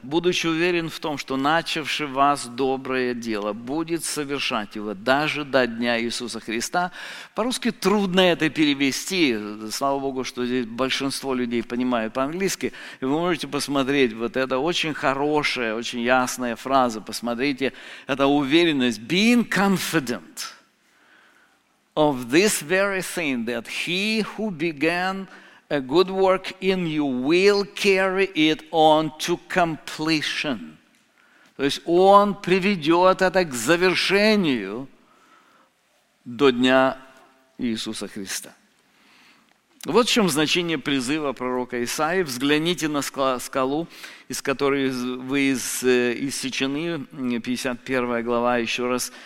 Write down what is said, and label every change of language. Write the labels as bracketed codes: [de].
[ru] «Будучи уверен в том, что начавший в вас доброе дело, будет совершать его даже до дня Иисуса Христа». По-русски трудно это перевести. Слава Богу, что здесь большинство людей понимают по-английски. И вы можете посмотреть, вот это очень хорошая, очень ясная фраза. Посмотрите, это уверенность. [en] «Being confident». Of this very thing, that he who began a good work in you will carry it on to completion. [ru] То есть он приведет это к завершению до дня Иисуса Христа. Вот в чем значение призыва пророка Исаии. Взгляните на скалу, из которой вы иссечены, 51 глава, еще раз.